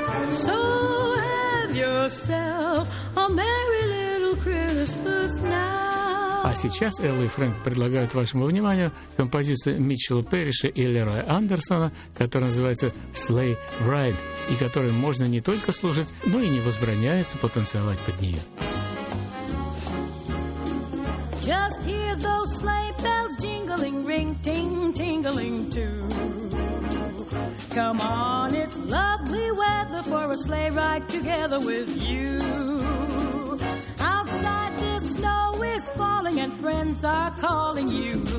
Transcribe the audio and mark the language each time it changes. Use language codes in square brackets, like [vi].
[en] So have yourself a merry little Christmas now. [ru] А сейчас Элла и Фрэнк предлагают вашему вниманию композицию Митчелла Перриша и Лерой Андерсона, которая называется «Sleigh Ride», и которую можно не только слушать, но и не возбраняется потанцевать под нее. [en] Just hear those sleigh bells jingling, ring, ting, tingling too. Come on, it's lovely weather for a sleigh ride together with you. Outside the snow is falling and friends are calling you.